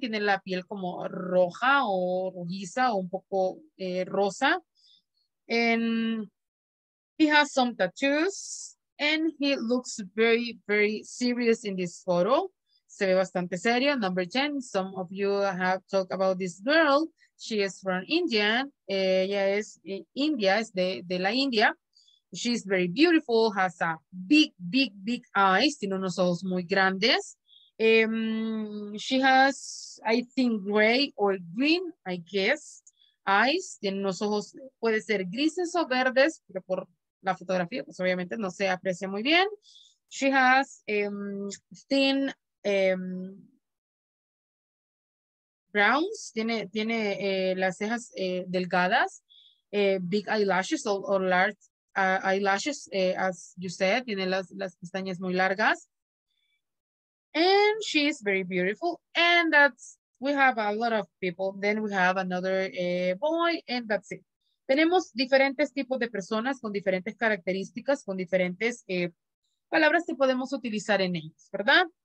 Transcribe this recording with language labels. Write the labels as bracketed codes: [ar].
[es] Tiene la piel como roja o rojiza o un poco rosa. [en] And he has some tattoos and he looks very, very serious in this photo. [es] Se ve bastante serio. [en] Number 10, some of you have talked about this girl. She is from India. [es] Ella es India, es de la India. [en] She's very beautiful, has a big, big, big eyes. [es] Tiene unos ojos muy grandes. [en] She has, I think, gray or green, I guess, eyes. [es] Tiene unos ojos, puede ser grises o verdes, pero por la fotografía, pues obviamente no se aprecia muy bien. [en] She has thin browns. [es] Tiene las cejas delgadas, [en] big eyelashes or large. Eyelashes, as you said, [es] tiene las pestañas muy largas. [en] And she is very beautiful. And that's, we have a lot of people. Then we have another boy, and that's it. [es] Tenemos diferentes tipos de personas con diferentes características, con diferentes palabras que podemos utilizar en ellos, ¿verdad?